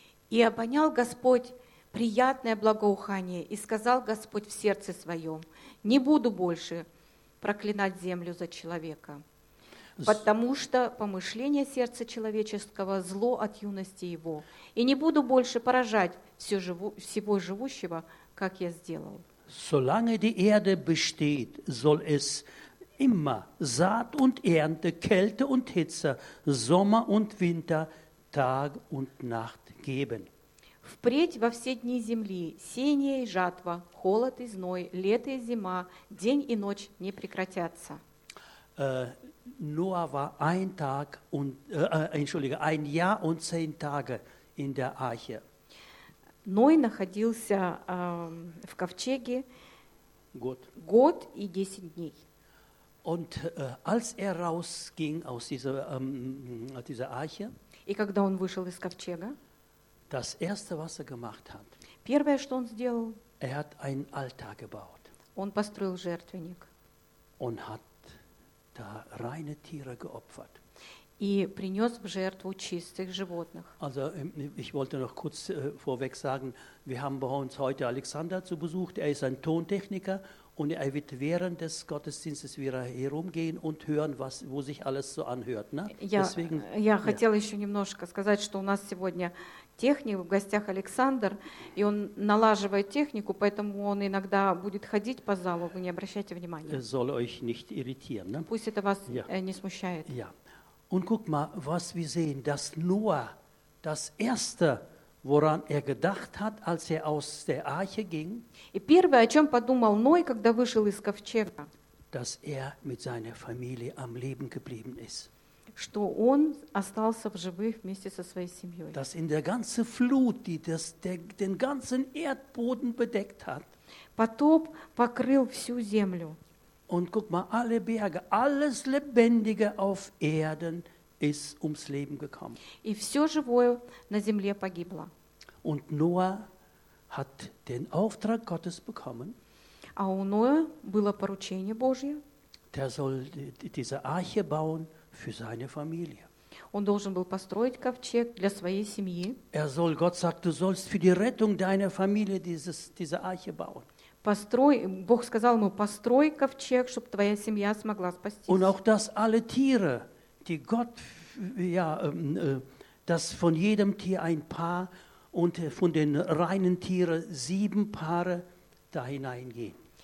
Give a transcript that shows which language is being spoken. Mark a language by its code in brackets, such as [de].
[ru] И обонял Господь приятное благоухание и сказал Господь в сердце своем: не буду больше проклинать землю за человека, потому что помышление сердца человеческого зло от юности его, и не буду больше поражать всего живущего, как я сделал. [de] Solange die Erde besteht, soll es immer Saat und Ernte, Kälte und Hitze, Sommer und Winter, Tag und Nacht geben. [ru] Впредь во все дни земли сеяние и жатва, холод и зной, лето и зима, день и ночь не прекратятся. [de] Ноа war ein Tag und entschuldige, ein Jahr und 10 Tage in der Arche. [ru] Ной находился в ковчеге год и 10 дней. [de] Und als er rausging aus dieser Arche, [ru] и когда он вышел из ковчега, [de] das erste, was er gemacht hat, [ru] первое, что он сделал, [de] er hat einen Altar gebaut. [ru] Он построил жертвенник. [de] Und hat da reine Tiere geopfert. [ru] И принес в жертву чистых животных. [de] Also, ich wollte noch kurz vorweg sagen, wir haben bei uns heute Alexander zu Besuch, er ist ein Tontechniker und er wird während des Gottesdienstes wieder herumgehen und hören, was, wo sich alles so anhört. Ne? [ru] Я хотела еще немножко сказать, что у нас сегодня техник, в гостях Александр, и он налаживает технику, поэтому он иногда будет ходить по залу, вы не обращайте внимания. [de] Soll euch nicht irritieren, ne? [ru] Пусть это вас не смущает. [de] Ja. Und guck mal, was wir sehen, dass Noah das Erste, woran er gedacht hat, als er aus der Arche ging, [ru] и первое, о чем подумал Ной, когда вышел из ковчега, [de] dass er mit seiner Familie am Leben geblieben ist. [ru] Что он остался в живых вместе со своей семьей. [de] Dass in der ganzen Flut, die den ganzen Erdboden bedeckt hat, [ru] потоп покрыл всю землю. [de] Und guck mal, alle Berge, alles Lebendige auf Erden ist ums Leben gekommen. [ru] И все живое на земле погибло. [de] Und Noah hat den Auftrag Gottes bekommen. [ru] А у Ноя было поручение Божье. [de] Der soll diese Arche bauen für seine Familie. [ru] Он должен был построить ковчег для своей семьи. [de] Er soll, Gott sagt, du sollst für die Rettung deiner Familie diese Arche bauen. [ru] Бог сказал ему: «Построй ковчег, чтобы твоя семья смогла спастись». [de] Und auch dass alle Tiere, die Gott, ja, dass von jedem Tier ein Paar und von den reinen Tieren 7 Paare da hineingehen.